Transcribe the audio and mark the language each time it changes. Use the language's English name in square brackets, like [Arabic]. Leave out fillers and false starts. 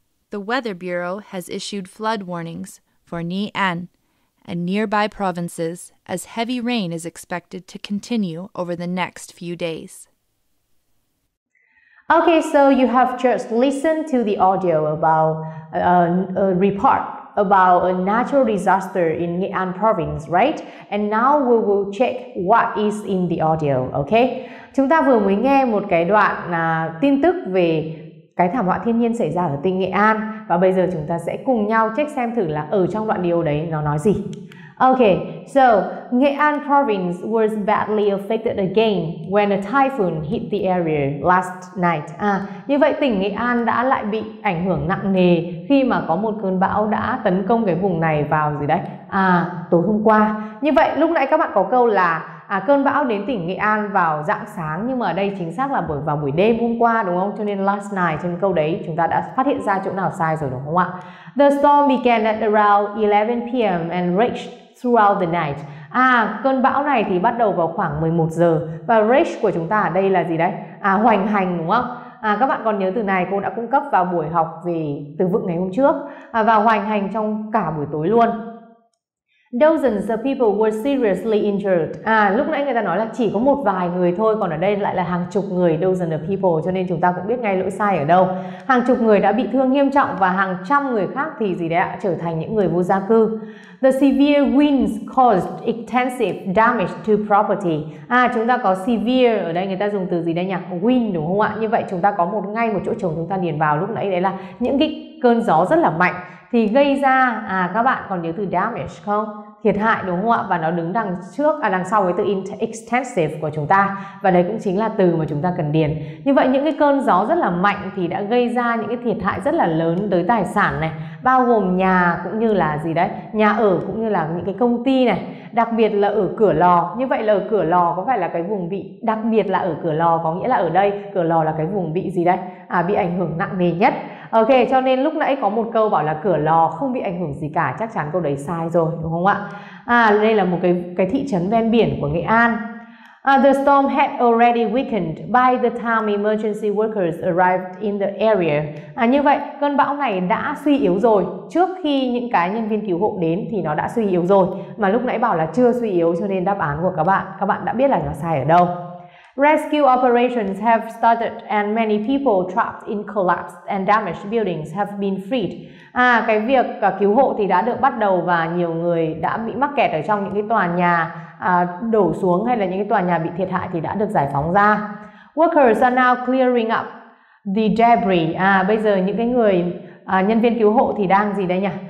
[English] The Weather Bureau has issued flood warnings for Nian and nearby provinces as heavy rain is expected to continue over the next few days. Okay, so you have just listened to the audio about a report about a natural disaster in Nian province, right? And now we will check what is in the audio, okay? [Vietnamese] Chúng ta vừa mới nghe một cái đoạn tin tức về cái thảm họa thiên nhiên xảy ra ở tỉnh Nghệ An. Và bây giờ chúng ta sẽ cùng nhau check xem thử là ở trong đoạn điều đấy nó nói gì. [English] Okay, so Nghệ An province was badly affected again when a typhoon hit the area last night. [Vietnamese] À, như vậy tỉnh Nghệ An đã lại bị ảnh hưởng nặng nề khi mà có một cơn bão đã tấn công cái vùng này vào gì đấy? À, tối hôm qua. Như vậy lúc nãy các bạn có câu là cơn bão đến tỉnh Nghệ An vào rạng sáng, nhưng mà ở đây chính xác là vào buổi đêm hôm qua, đúng không? Cho nên last night, trên câu đấy chúng ta đã phát hiện ra chỗ nào sai rồi, đúng không ạ? [English] The storm began at around 11 p.m. and raged throughout the night. [Vietnamese] À, cơn bão này thì bắt đầu vào khoảng 11 giờ. Và rage của chúng ta ở đây là gì đấy? À, hoành hành, đúng không? À, các bạn còn nhớ từ này cô đã cung cấp vào buổi học về từ vựng ngày hôm trước. À, và hoành hành trong cả buổi tối luôn. [English] Dozens of people were seriously injured. [Vietnamese] À, lúc nãy người ta nói là chỉ có một vài người thôi, còn ở đây lại là hàng chục người, [English] dozens of people, [Vietnamese] cho nên chúng ta cũng biết ngay lỗi sai ở đâu. Hàng chục người đã bị thương nghiêm trọng và hàng trăm người khác thì gì đấy ạ, trở thành những người vô gia cư. [English] The severe winds caused extensive damage to property. [Vietnamese] À, chúng ta có severe, ở đây người ta dùng từ gì đây nhỉ? Wind, đúng không ạ? Như vậy chúng ta có một ngay một chỗ trống chúng ta điền vào lúc nãy, đấy là những cái cơn gió rất là mạnh thì gây ra, à các bạn còn nhớ từ damage không? Thiệt hại, đúng không ạ? Và nó đứng đằng trước, à đằng sau với từ extensive của chúng ta. Và đấy cũng chính là từ mà chúng ta cần điền. Như vậy những cái cơn gió rất là mạnh thì đã gây ra những cái thiệt hại rất là lớn tới tài sản này, bao gồm nhà cũng như là gì đấy, nhà ở cũng như là những cái công ty này, đặc biệt là ở cửa lò. Như vậy là ở cửa lò có phải là cái vùng bị, đặc biệt là ở cửa lò có nghĩa là ở đây, cửa lò là cái vùng bị gì đấy? À, bị ảnh hưởng nặng nề nhất. Ok, cho nên lúc nãy có một câu bảo là cửa lò không bị ảnh hưởng gì cả, chắc chắn câu đấy sai rồi, đúng không ạ? À, đây là một cái thị trấn ven biển của Nghệ An. [English] The storm had already weakened by the time emergency workers arrived in the area. [Vietnamese] À, như vậy, cơn bão này đã suy yếu rồi. Trước khi những cái nhân viên cứu hộ đến thì nó đã suy yếu rồi. Mà lúc nãy bảo là chưa suy yếu, cho nên đáp án của các bạn đã biết là nó sai ở đâu. [English] Rescue operations have started and many people trapped in collapsed and damaged buildings have been freed. [Vietnamese] À, cái việc cứu hộ thì đã được bắt đầu và nhiều người đã bị mắc kẹt ở trong những cái tòa nhà đổ xuống hay là những cái tòa nhà bị thiệt hại thì đã được giải phóng ra. [English] Workers are now clearing up the debris. [Vietnamese] À, bây giờ những cái người nhân viên cứu hộ thì đang gì đây nhỉ?